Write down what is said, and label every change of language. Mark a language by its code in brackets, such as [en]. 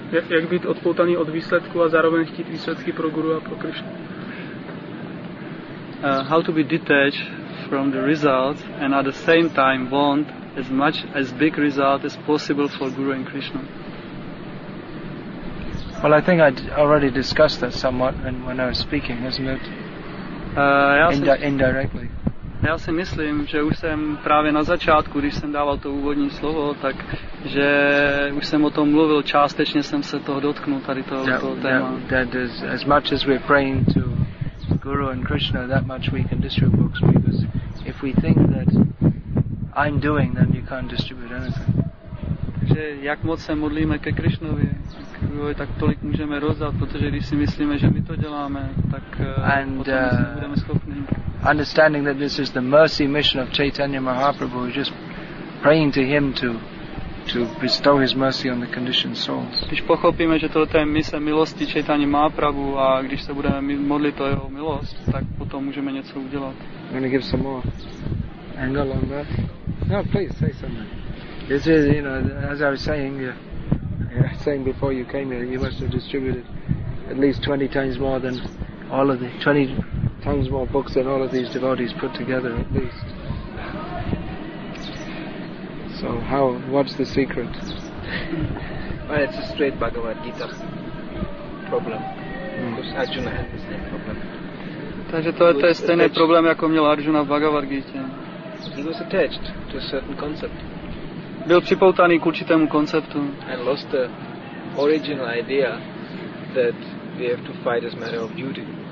[cs] Jak být odpoutaný od výsledku a zároveň chtít výsledky pro guru a pro Krishnu? [en] How to be detached from the results and at the same time want as much as big result as possible for guru and Krishna? Well, I think I already discussed that somewhat when I was speaking, isn't it? Indirectly. [cs] Já si myslím, že už jsem právě na začátku, když jsem dával to úvodní slovo, tak že už jsem o tom mluvil, částečně jsem se toho dotknul tady toho téma. [en] That is, as much as we're praying to Guru and Krishna, that much we can distribute books, because if we think that I'm doing, then you can't distribute anything. [cs] Takže jak moc se modlíme ke Krišnovi, tak tolik můžeme rozdat, protože když si myslíme, že my to děláme, tak potom nebudeme schopni. [en] understanding that this is the mercy mission of Chaitanya Mahaprabhu, we're just praying to him to bestow his mercy on the conditioned souls. [cs] Když pochopíme, že toto je mise milosti Chaitanya Mahaprabhu a když se budeme modlit o jeho milost, tak potom můžeme něco udělat. [en] I'm going to give some more angle on that. No, please say something. This is, you know, as I was saying, saying before you came here, you must have distributed at least 20 times more than all of the 20 times more books than all of these devotees put together at least. So how? What's the secret? Well, it's a straight Bhagavad Gita problem. Because Arjuna had the same problem. [cs] Takže tohle to je stejný problém, jako měl Arjuna v Bhagavad Gita. [en] He was attached to a certain concept. [cs] Byl připoutaný k určitému konceptu. [en] And lost the original idea that we have to fight as a matter of duty.